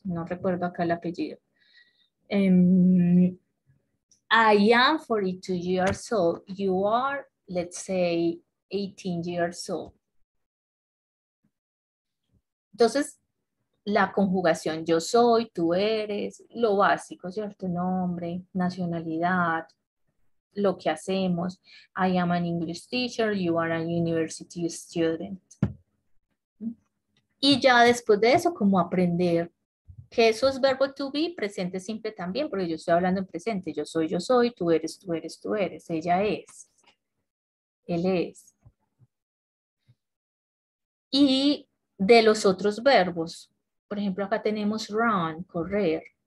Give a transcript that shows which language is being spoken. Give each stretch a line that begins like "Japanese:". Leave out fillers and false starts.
Spanish: No recuerdo acá el apellido.
English: I am 42 years old. You are, let's say, 18 years old.
Spanish: Entonces, la conjugación, yo soy, tú eres, lo básico, ¿cierto? Nombre, nacionalidad, lo que hacemos.
English: I am an English teacher, you are a university student.
Spanish: Y ya después de eso, como aprender que eso es verbo to be, presente simple también, porque yo estoy hablando en presente. Yo soy, tú eres, tú eres, tú eres, ella es, él es. Y de los otros verbos, por ejemplo, acá tenemos run, correr.